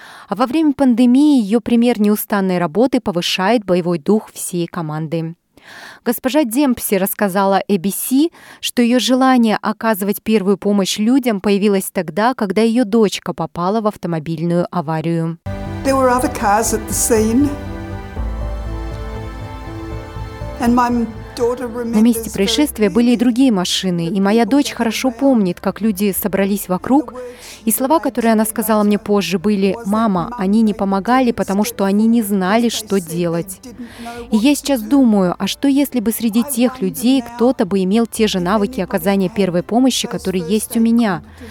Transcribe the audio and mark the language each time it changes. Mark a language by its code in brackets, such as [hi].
[ru] А во время пандемии ее пример неустанной работы повышает боевой дух всей команды. Госпожа Демпси рассказала ABC, что ее желание оказывать первую помощь людям появилось тогда, когда ее дочка попала в автомобильную аварию. [en] There were other cars at the scene. [ru] На месте происшествия были и другие машины, и моя дочь хорошо помнит, как люди собрались вокруг, и слова, которые она сказала мне позже, были: «Мама, они не помогали, потому что они не знали, что делать». И я сейчас думаю, а что если бы среди тех людей кто-то бы имел те же навыки оказания первой помощи, которые есть у меня?